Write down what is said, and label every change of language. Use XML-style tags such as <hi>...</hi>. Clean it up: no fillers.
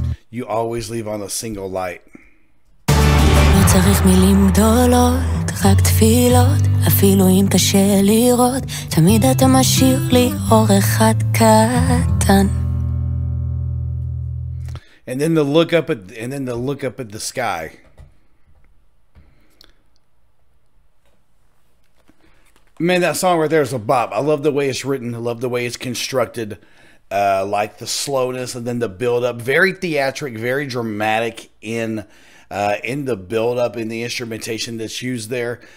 <en>You always leave on a single light.</en> <he>צריך מילים גדולות, רק תפילות, אפילו אם קשה לראות, תמיד אתה משאיר לי אור אחד קטן.</he> <en>And then the look up at the sky. Man, that song right there is a bop. I love the way it's written, I love the way it's constructed. Like the slowness and then the build up, very theatric, very dramatic in the build-up, in the instrumentation that's used there.</en>